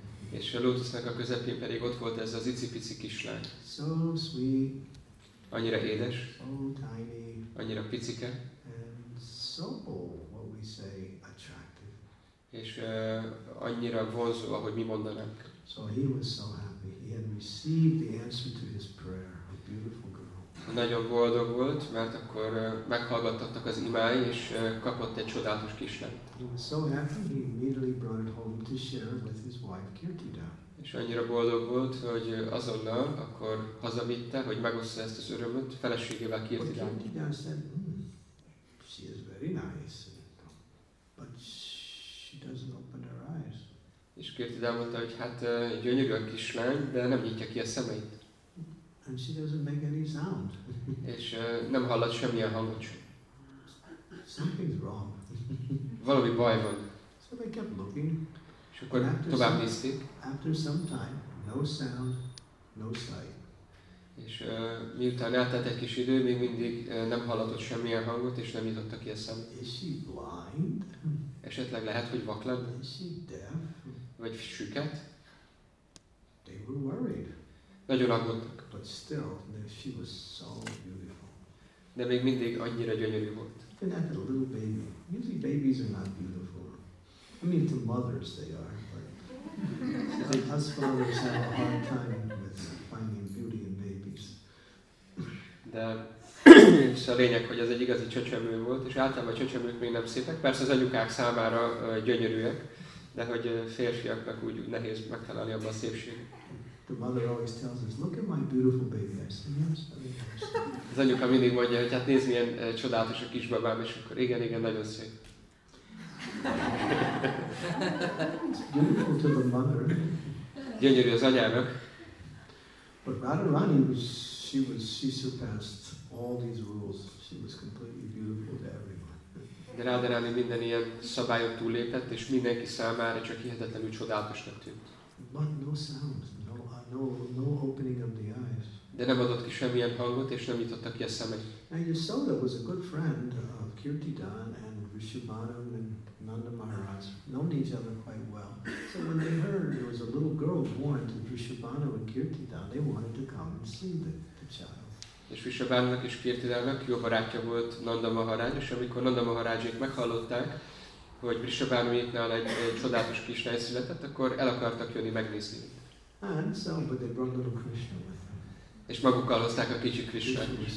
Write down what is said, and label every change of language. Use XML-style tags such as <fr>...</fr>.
<hu>És a lótusznak a közepén pedig ott volt ez az icipici kislány.</hu> <en>So sweet.</en> <hu>Annyira édes.</hu> <en>So tiny.</en> <hu>Annyira picike.</hu> <en>And so what we say attractive.</en> <hu>És annyira vonzó, ahogy mi mondanánk.</hu> <en>So he was so happy. He had received the answer to his prayer. A beautiful girl.</en> <hu>Nagyon boldog volt, mert akkor meghallgattattak az imái, és kapott egy csodálatos kislányt.</hu> <en>He was so happy he immediately brought it home to share with his wife Kirtida.</en> <hu>És annyira boldog volt, hogy azonnal akkor hazavitte, hogy megoszta ezt az örömöt feleségével Kirtidát.</hu> <en>But Kirtida said, she is very nice, but she doesn't open her eyes.</en> <hu>És Kirtida mondta, hogy hát gyönyörű a kislány, de nem nyitja ki a szemeit.</hu> <en>And she doesn't make any sound.</en> <hu>És nem hallat semmilyen hangot sem.</hu> <en>Something's wrong.</en> <hu>Valami baj van.</hu> <en>So they kept looking.</en> <hu>És akkor tovább nézték.</hu> <en>After some time, no sound, no sight.</en> <hu>És miután eltelt egy kis idő, még mindig nem hallatott semmilyen hangot, és nem jutott ki a szem.</hu> <en>Is she blind?</en> <hu>Esetleg lehet, hogy vak lett.</hu> <en>Is she deaf?</en> <hu>Vagy süket?</hu> <en>They were worried.</en> <hu>Nagyon aggódtak.</hu> <en>But still, she was so beautiful.</en> <hu>De még mindig annyira gyönyörű volt.</hu> <en>Even that little baby. Usually babies are not beautiful. I mean, to mothers they are, but like us fathers have a hard time with finding beauty in babies.</en> <hu>De és a lényeg, hogy ez egy igazi csöcsömű volt, és általában a csöcsöműk még nem szépek, persze az anyukák számára gyönyörűek, de hogy férfiaknak úgy nehéz megtalálni abban a szépségét.</hu> <en>The mother always tells us, look at my beautiful baby. I say, yes, very nice.</en> <hu>Az anyuka mindig mondja, hogy hát nézd, milyen csodálatos a kisbabám, és akkor igen, igen, nagyon szép.</hu> <en>Beautiful to the mother.</en> <hu>Gyönyörű az anyának.</hu> <en>But Radharani, she surpassed all these rules. She was completely beautiful to everyone.</en> <hu>De Radharani minden ilyen szabályon túllépett, és mindenki számára csak hihetetlenül csodálatosnak tűnt.</hu> <en>But no sound, no opening of the eyes.</en> <hu>De nem adott ki semmilyen hangot, és nem nyitotta ki a szemet.</hu> <en>And Yasoda was a good friend of Kirtidan and Vrishabhanu and Nanda Maharaj. Known each other quite well. So when they heard there was a little girl born to Vrishabhanu and Kirtidan, they wanted to come and see the child.</en> <hu>És Vrishabhanunak és Kirtidának jó barátja volt Nanda Maharaj, és amikor Nanda Maharajék meghallották, hogy Vrishabhanuéknál egy csodálatos kislány született, akkor el akartak jönni megnézni.</hu> <en>And so, but they brought little Krishna with them.</en> <hu>És magukkal hozták a kicsi Krishnát.</hu>